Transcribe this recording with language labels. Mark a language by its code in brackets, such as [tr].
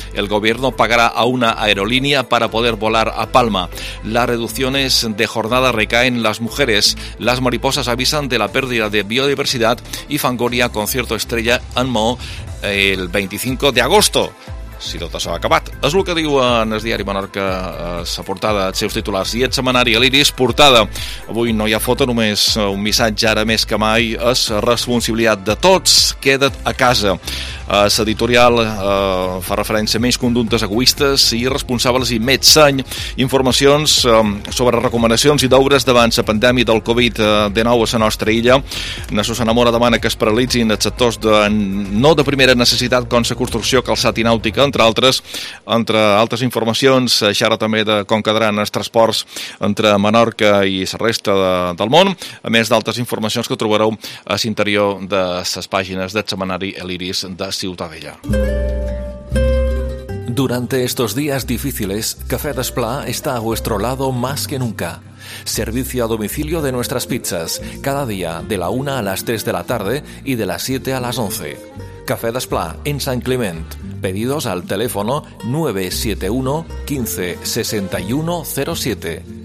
[es] El gobierno pagará a una aerolínea para poder volar a Palma. Las reducciones de jornada recaen las mujeres. Las mariposas avisan de la pérdida de biodiversidad y Fangoria concierto estrella en Mo el 25 de agosto. [ca] Si tot això ha acabat. És el que diu en el diari Menorca, la portada, els seus titulars. I el setmanari, l'Iris, portada. Avui no hi ha foto, només un missatge ara més que mai. És responsabilitat de tots, queda't a casa. L'editorial fa referència a menys conductes egoistes i irresponsables i més seny. Informacions sobre recomanacions i deures davant la pandèmia del Covid-19 a la nostra illa. Nassos Enamora demana que es paralitzin els sectors de no de primera necessitat com la construcció, calçat i nàutica, entre altres informacions. Xara també de com quedaran els transports entre Menorca i la resta del món, a més d'altres informacions que trobareu a l'interior de les pàgines del setmanari Eliris de Ciutadella. [es] Durante estos días difíciles, Café Desplá está a vuestro lado más que nunca. Servicio a domicilio de nuestras pizzas, cada día de la 1 a las 3 de la tarde y de las 7 a las 11. Café Desplá en Sant Climent. Pedidos al teléfono 971 15 61 07.